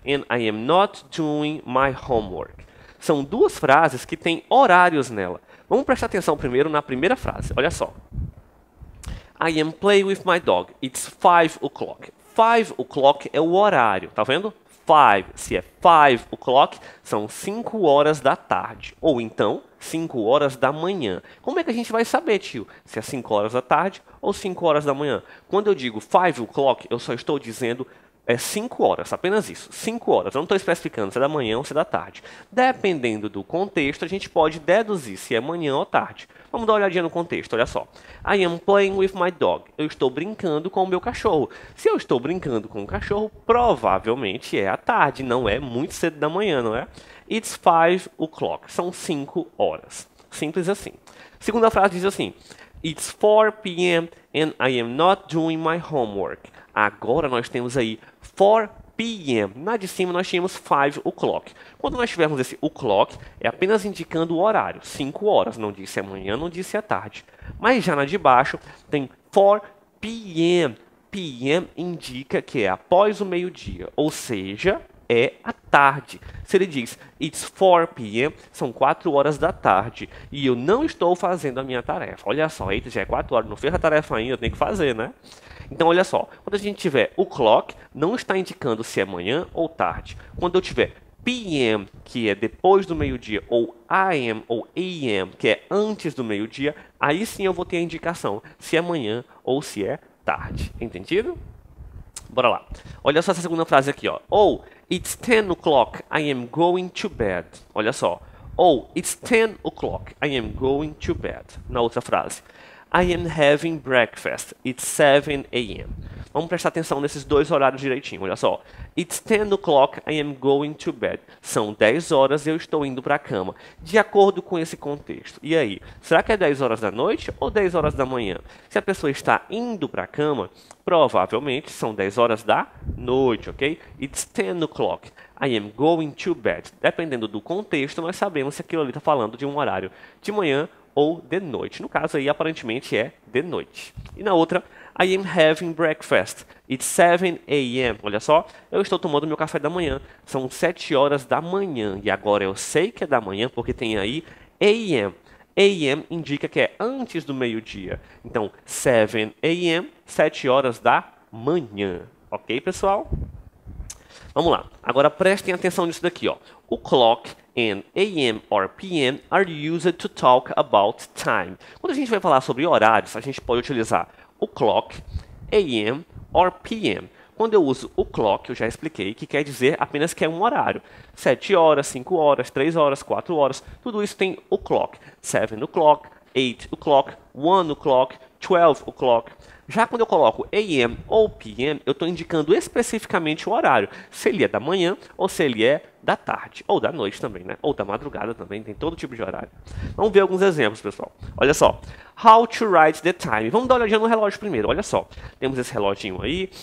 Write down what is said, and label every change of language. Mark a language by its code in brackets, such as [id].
[en] and I am not doing my homework. [pt] São duas frases que têm horários nela. Vamos prestar atenção primeiro na primeira frase. Olha só. [en] I am playing with my dog. It's 5 o'clock. 5 o'clock [pt] é o horário, tá vendo? 5, se é 5 o'clock, são 5 horas da tarde. Ou então, 5 horas da manhã. Como é que a gente vai saber, tio, se é 5 horas da tarde ou 5 horas da manhã? Quando eu digo 5 o'clock, eu só estou dizendo 5 horas, apenas isso. 5 horas. Eu não estou especificando se é da manhã ou se é da tarde. Dependendo do contexto, a gente pode deduzir se é manhã ou tarde. Vamos dar uma olhadinha no contexto, olha só. [en] I am playing with my dog. [pt] Eu estou brincando com o meu cachorro. Se eu estou brincando com o cachorro, provavelmente é à tarde, não é muito cedo da manhã, não é? [en] It's 5 o'clock. [pt] São 5 horas. Simples assim. Segunda frase diz assim: [en] It's 4 p.m. and I am not doing my homework. [pt] Agora nós temos aí 4 p.m. Na de cima nós tínhamos 5 o'clock. Quando nós tivermos esse o'clock, é apenas indicando o horário, 5 horas. Não disse amanhã, não disse à tarde. Mas já na de baixo tem 4 p.m. P.m. indica que é após o meio-dia, ou seja, é à tarde. Se ele diz [en] it's 4 p.m., [pt] são 4 horas da tarde e eu não estou fazendo a minha tarefa. Olha só, eita, já é 4 horas, não fez a tarefa ainda, tem que fazer, né? Então, olha só, quando a gente tiver o clock, não está indicando se é manhã ou tarde. Quando eu tiver PM, que é depois do meio-dia, ou AM, ou AM, que é antes do meio-dia, aí sim eu vou ter a indicação se é manhã ou se é tarde. Entendido? Bora lá. Olha só essa segunda frase aqui, ó. [en] Ou, it's 10 o'clock, I am going to bed. [pt] Olha só. [en] Ou, it's 10 o'clock, I am going to bed. [pt] Na outra frase. [en] I am having breakfast. It's 7 a.m. [pt] Vamos prestar atenção nesses dois horários direitinho. Olha só. [en] It's 10 o'clock, I am going to bed. [pt] São 10 horas e eu estou indo para a cama. De acordo com esse contexto. E aí, será que é 10 horas da noite ou 10 horas da manhã? Se a pessoa está indo para a cama, provavelmente são 10 horas da noite, ok? [en] It's 10 o'clock, I am going to bed. [pt] Dependendo do contexto, nós sabemos se aquilo ali está falando de um horário de manhã ou de noite. No caso aí, aparentemente é de noite. E na outra, [en] I am having breakfast. It's 7 a.m. [pt] Olha só, eu estou tomando meu café da manhã. São 7 horas da manhã. E agora eu sei que é da manhã porque tem aí a.m. A.m. indica que é antes do meio-dia. Então, 7 a.m., 7 horas da manhã. Ok, pessoal? Vamos lá. Agora prestem atenção nisso daqui, ó. [en] O clock and AM or PM are used to talk about time. [pt] Quando a gente vai falar sobre horários, a gente pode utilizar o clock, AM or PM. Quando eu uso o clock, eu já expliquei que quer dizer apenas que é um horário. 7 horas, 5 horas, 3 horas, 4 horas, tudo isso tem o clock. 7 o'clock, 8 o'clock, 1 o'clock, 12 o'clock. Já quando eu coloco AM ou PM, eu estou indicando especificamente o horário. Se ele é da manhã ou se ele é da tarde. Ou da noite também, né? Ou da madrugada também, tem todo tipo de horário. Vamos ver alguns exemplos, pessoal. Olha só. [en] How to write the time. [pt] Vamos dar uma olhadinha no relógio primeiro. Olha só. Temos esse reloginho aí.